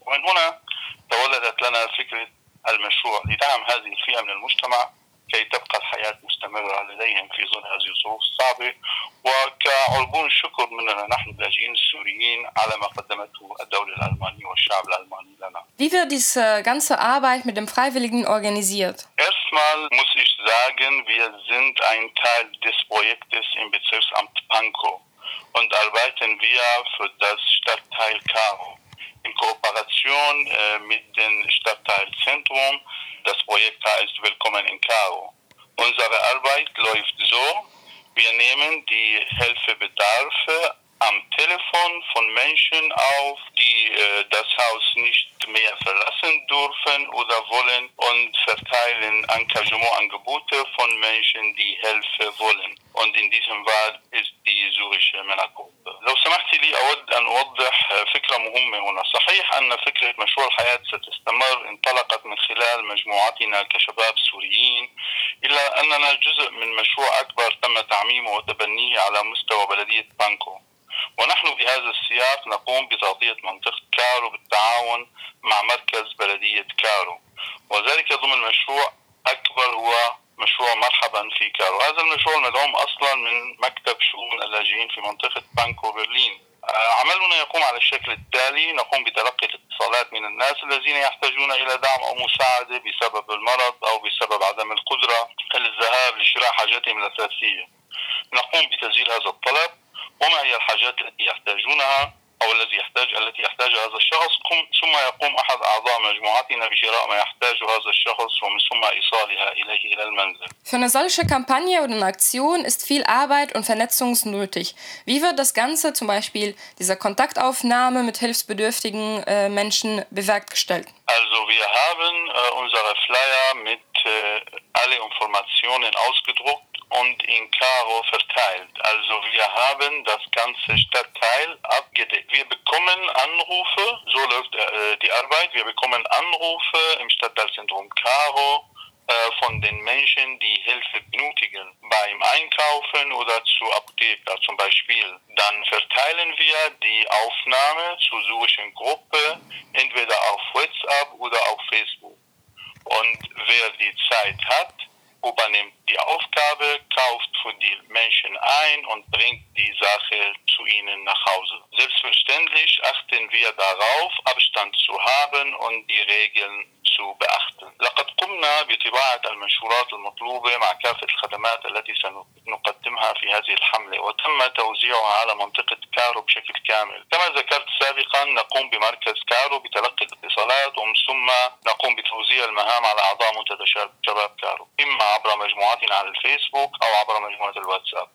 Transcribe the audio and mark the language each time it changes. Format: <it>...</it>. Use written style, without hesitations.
<ar>ومن هنا تولدت لنا فكرة المشروع لدعم هذه الفئة من المجتمع كي تبقى الحياة مستمرة لديهم في ظل هذه الظروف الصعبة، وكعربون شكر مننا نحن اللاجئين السوريين على ما قدمته الدولة الألمانية والشعب الألماني لنا.</ar> <de>Wie wird diese ganze Arbeit mit dem Freiwilligen organisiert? Erstmal muss ich sagen, wir sind ein Teil des Projektes im Bezirksamt Pankow und arbeiten wir für das Stadtteil Karow. In Kooperation mit dem Stadtteilzentrum, das Projekt heißt Willkommen in Karow. Unsere Arbeit läuft so, wir nehmen die Hilfebedarfe am Telefon von Menschen auf, die das Haus nicht mehr verlassen dürfen oder wollen, und verteilen Engagementangebote von Menschen, die Hilfe wollen. Und in diesem Fall ist die syrische Männergruppe.</de> <ar>لو سمحت لي أود أن أوضح فكرة مهمة هنا. صحيح أن فكرة مشروع الحياة ستستمر انطلقت من خلال مجموعتنا كشباب سوريين، إلا أننا جزء من مشروع أكبر تم تعميمه وتبنيه على مستوى بلدية بانكو. ونحن بهذا السياق نقوم بتغطية منطقة كارو بالتعاون مع مركز بلدية كارو، وذلك ضمن مشروع أكبر هو مشروع مرحبا في كارو. هذا المشروع مدعوم أصلا من مكتب شؤون اللاجئين في منطقة بانكو برلين. عملنا يقوم على الشكل التالي، نقوم بتلقي الاتصالات من الناس الذين يحتاجون إلى دعم أو مساعدة بسبب المرض أو بسبب عدم القدرة للذهاب لشراء حاجاتهم الأساسية. نقوم بتسجيل هذا الطلب وما هي الحاجات التي يحتاجونها أو التي يحتاج هذا الشخص، ثم يقوم أحد أعضاء مجموعتنا بشراء ما يحتاج هذا الشخص ومن ثم إيصالها إليه إلى المنزل.</ar> <de>Für eine solche Kampagne oder eine Aktion ist viel Arbeit und Vernetzung nötig. Wie wird das Ganze, zum Beispiel dieser Kontaktaufnahme mit hilfsbedürftigen Menschen, bewerkstelligt? Also wir haben unsere Flyer mit alle Informationen ausgedruckt und in Karo verteilt. Also wir haben das ganze Stadtteil abgedeckt. Wir bekommen Anrufe, so läuft die Arbeit, wir bekommen Anrufe im Stadtteilzentrum Karo von den Menschen, die Hilfe benötigen beim Einkaufen oder zur Apotheke zum Beispiel. Dann verteilen wir die Aufnahme zur syrischen Gruppe entweder auf WhatsApp oder auf Facebook. Und wer die Zeit hat, übernimmt die Aufgabe, kauft für die Menschen ein und bringt die Sache zu ihnen nach Hause. Selbstverständlich achten wir darauf, Abstand zu haben und die Regeln zu beachten.</de> <ar>لقد قمنا بطباعة المنشورات المطلوبة مع كافة الخدمات التي سنقدمها في هذه الحملة، وتم توزيعها على منطقة كارو بشكل كامل. كما ذكرت سابقا، نقوم بمركز كارو بتلقي الاتصالات ومن ثم نقوم بتوزيع المهام على أعضاء منتدى شباب كارو، إما عبر مجموعتنا على الفيسبوك أو عبر مجموعة الواتساب.</ar>